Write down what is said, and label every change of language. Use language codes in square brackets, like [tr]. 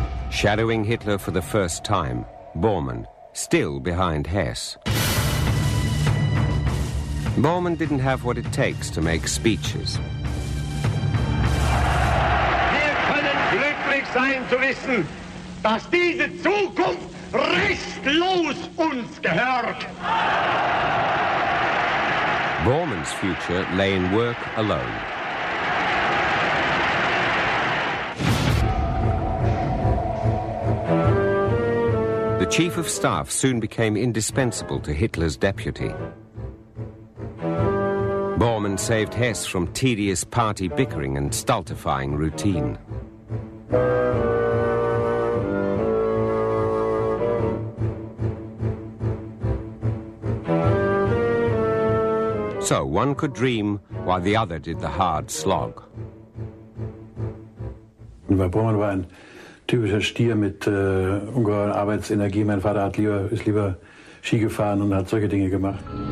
[en] Shadowing Hitler for the first time, Bormann, still behind Hess. Bormann didn't have what it takes to make speeches. [de] Wir können glücklich sein zu wissen, dass diese Zukunft restlos uns gehört. [en] Bormann's future lay in work alone. The chief of staff soon became indispensable to Hitler's deputy. Bormann saved Hess from tedious party bickering and stultifying routine. So one could dream while the other did the hard slog. [de] Bei Bormann war ein typischer Stier mit ungeheuren Arbeitsenergie. Mein Vater ist lieber Ski gefahren und hat solche Dinge gemacht.